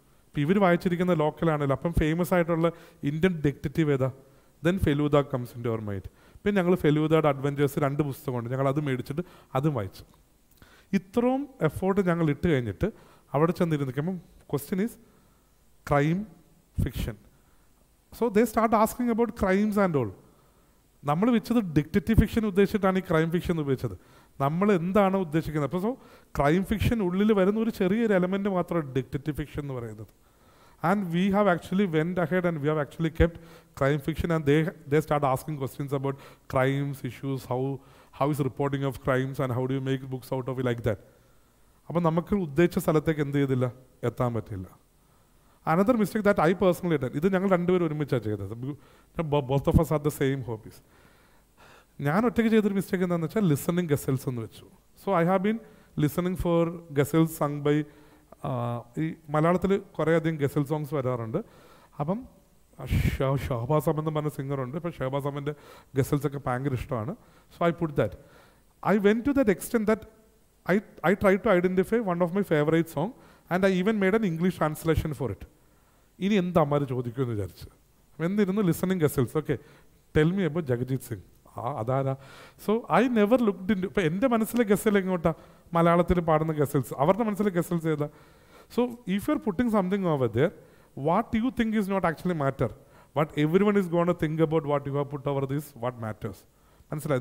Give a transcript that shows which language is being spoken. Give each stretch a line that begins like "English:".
Malayalam: അപ്പോൾ ഇവർ വായിച്ചിരിക്കുന്ന ലോക്കലാണല്ലോ, അപ്പം ഫേമസ് ആയിട്ടുള്ള ഇന്ത്യൻ ഡിറ്റക്റ്റീവ് ഏതാ,
English: Then Feluda comes into our mind.
Malayalam: പിന്നെ ഞങ്ങൾ ഫെലൂദയുടെ അഡ്വഞ്ചേഴ്സ് രണ്ട് പുസ്തകമുണ്ട്, ഞങ്ങൾ അത് മേടിച്ചിട്ട് അതും വായിച്ചു. ഇത്രയും എഫേർട്ട് ഞങ്ങൾ ഇട്ട് കഴിഞ്ഞിട്ട് അവിടെ ചെന്നിരുന്നിരിക്കുമ്പം
English: Question is crime fiction. So they start asking about crimes and all.
Malayalam: നമ്മൾ വെച്ചത് ഡിറ്റക്റ്റീവ് ഫിക്ഷൻ ഉദ്ദേശിച്ചിട്ടാണ് ഈ ക്രൈം ഫിക്ഷൻ ഉപയോഗിച്ചത്. നമ്മൾ എന്താണ് ഉദ്ദേശിക്കുന്നത്? അപ്പോൾ സോ ക്രൈം ഫിക്ഷൻ ഉള്ളിൽ വരുന്ന ഒരു ചെറിയൊരു എലമെൻറ്റ് മാത്രമാണ് ഡിറ്റക്റ്റീവ് ഫിക്ഷൻ എന്ന് പറയുന്നത്.
English: And we have actually went ahead and we have actually kept crime fiction, and they start asking questions about crimes, issues, how is reporting of crimes and how do you make books out of it like that.
Malayalam: അപ്പം നമുക്ക് ഉദ്ദേശിച്ച സ്ഥലത്തേക്ക് എന്ത് ചെയ്തില്ല, എത്താൻ പറ്റില്ല.
English: another mistake that I personally
Malayalam: ഇട്ടാൻ, ഇത് ഞങ്ങൾ രണ്ടുപേരും ഒരുമിച്ചാണ് ചെയ്തത്,
English: Both of us are the same hobbies.
Malayalam: ഞാൻ ഒറ്റയ്ക്ക് ചെയ്തൊരു മിസ്റ്റേക്ക് എന്താണെന്ന് വെച്ചാൽ ലിസണിങ് ഗസൽസ് എന്ന് വെച്ചു.
English: so I have been listening for ghazals sung by,
Malayalam: ഈ മലയാളത്തിൽ കുറേയധികം ഗസൽ സോങ്സ് വരാറുണ്ട്. അപ്പം ഷഹബാസമൻ എന്ന് പറഞ്ഞ സിംഗറുണ്ട്, ഇപ്പം ഷഹബാസമൻ്റെ ഗസൽസൊക്കെ ഭയങ്കര ഇഷ്ടമാണ്.
English: So I put that, I went to that extend that I tried to identify one of my favorite song and I even made an English translation for it.
Malayalam: ഇനി എന്താമാര് ചോദിക്കും എന്ന് വിചാരിച്ചു, എന്നിരുന്നു listening gazelles,
English: okay tell me about Jagjit Singh,
Malayalam: ആ അതാരാ.
English: so I never looked in,
Malayalam: ഇപ്പം എൻ്റെ മനസ്സിലെ ഗസൽ എങ്ങോട്ടാ, മലയാളത്തിൽ പാടുന്ന ഗസൽസ്, അവരുടെ മനസ്സിലെ ഗസൽസ് ഏതാ?
English: So if you are putting something over there, what you think is not actually matter, what every one is gonna think about what you have put over these what matters.
Malayalam: മനസ്സിലായി?